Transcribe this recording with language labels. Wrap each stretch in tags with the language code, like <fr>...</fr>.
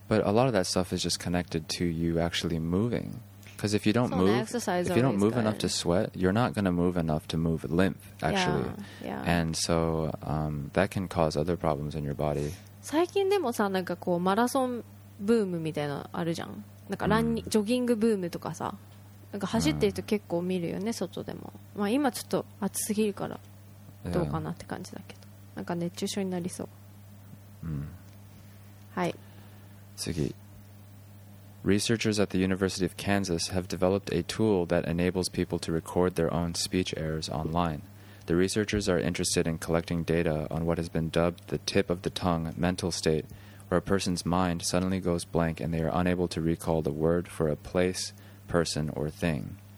<en>But a lot of that stuff is just connected to you actually moving. Because if you don't move, if you don't move enough to sweat, you're not going to move enough to move lymph, actually. Yeah. And so that can cause other problems in your body.</en> <ja>最近でもさ、なんかこうマラソンブームみたいなのあるじゃん。なんかジョギングブームとかさ、なんか走ってる人結構見るよね、外でも。まあ今ちょっと暑すぎるからどうかなって感じだけど、なんか熱中症になりそう。はい。次。</ja> <en>Researchers at the University of Kansas have developed a tool that enables people to record their own speech errors online. The researchers are interested in collecting data on what has been dubbed the tip of the tongue mental state. Where a person's mind suddenly goes blank and they are unable to recall the word for a place, person, or thing.</en>